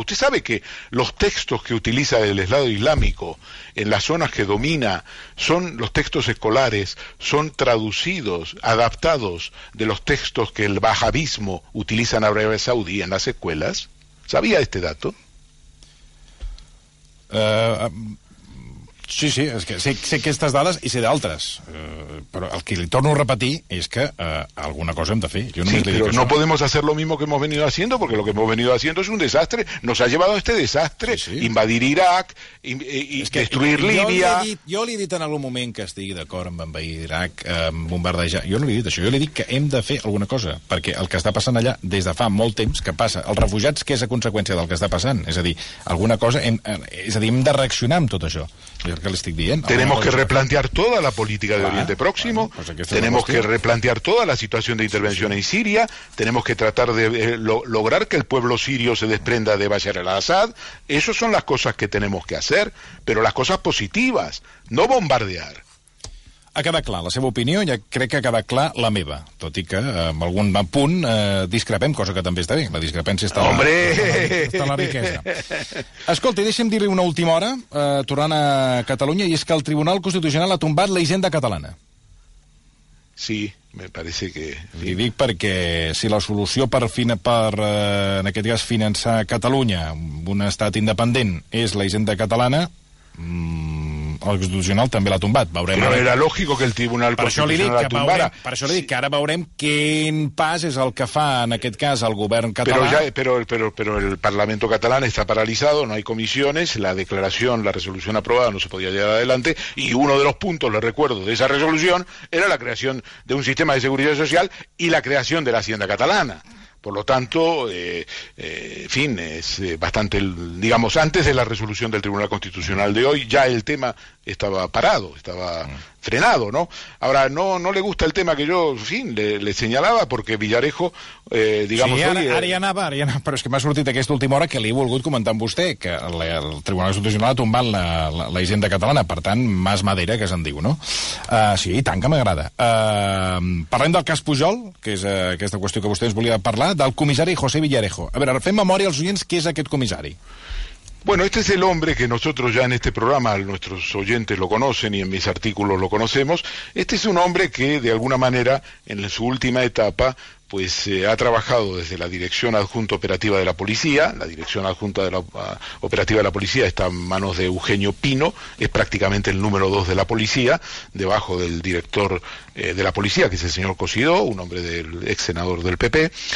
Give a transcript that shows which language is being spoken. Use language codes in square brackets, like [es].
[es] Usted sabe que los textos que utiliza el Estado Islámico en las zonas que domina son los textos escolares, son traducidos, adaptados de los textos que el wahabismo utiliza en Arabia Saudí en las escuelas. ¿Sabía este dato? [ca] Sí, sí, és que sé aquestes dades i sé d'altres, però el que li torno a repetir és que alguna cosa hem de fer. Jo sí, però [es] no podemos hacer lo mismo que hemos venido haciendo, porque lo que hemos venido haciendo es un desastre. Nos ha llevado a este desastre, invadir Irak, destruir Líbia... [ca] Jo li he dit en algun moment que estigui d'acord amb envair Irak, bombardejar... Jo no li he dit això, jo li he dit que hem de fer alguna cosa, perquè el que està passant allà, des de fa molt temps, que passa, els refugiats, què és a conseqüència del que està passant? És a dir, alguna cosa... És a dir, hem de reaccionar amb tot això. [es] Que le estoy diciendo. Tenemos que replantear toda la política de Oriente Próximo, tenemos que replantear toda la situación de intervención en Siria, tenemos que tratar de lograr que el pueblo sirio se desprenda de Bashar al-Assad. Esas son las cosas que tenemos que hacer, pero las cosas positivas, no bombardear. [ca] ha quedat clar la seva opinió, ja crec que ha quedat clar la meva, tot i que en algun punt discrepem, cosa que també està bé. La discrepància està, està la riquesa. Escolta, deixa'm dir-li una última hora, tornant a Catalunya, i és que el Tribunal Constitucional ha tombat la hisenda catalana. [es] Sí, me parece que... [ca] Li dic perquè si la solució per en aquest cas, finançar Catalunya, un estat independent, és la hisenda catalana... el Constitucional també l'ha tombat. Veurem però era lògico que el Tribunal Constitucional la tombara. Per això li dic que ara veurem quin pas és el que fa, en aquest cas, el govern català. Però, ja, però el Parlament català està paralitzat, no hi ha comissions, la declaració, la resolució aprovada no se podia [es] llevar adelante, [ca] i un dels punts, [es] lo recuerdo, [ca] d'aquesta resolució era la creació d'un sistema de seguretat social i la creació de l'Hacienda catalana. [es] Por lo tanto, es bastante, digamos, antes de la resolución del Tribunal Constitucional de hoy, ya el tema estaba parado, estaba frenado, ¿no? Ahora, no le gusta el tema que yo, le señalaba, porque Villarejo, digamos... [ca] Sí, ara hi anava, però és que m'ha sortit aquesta última hora que li he volgut comentar amb vostè, que el Tribunal Constitucional ha tombat la hisenda catalana, per tant, [es] mas madera, [ca] que se'n diu, no? Sí, i tant que m'agrada. Parlem del cas Pujol, que és aquesta qüestió que vostè ens volia parlar, del comissari José Villarejo. A veure, fem memòria als oients què és aquest comissari. [es] Bueno, este es el hombre que nosotros ya en este programa, nuestros oyentes lo conocen y en mis artículos lo conocemos. Este es un hombre que, de alguna manera, en su última etapa, pues ha trabajado desde la Dirección Adjunta Operativa de la Policía. La Dirección Adjunta de la Operativa de la Policía está en manos de Eugenio Pino, es prácticamente el número dos de la policía, debajo del director de la policía, que es el señor Cosidó, un hombre del ex senador del PP.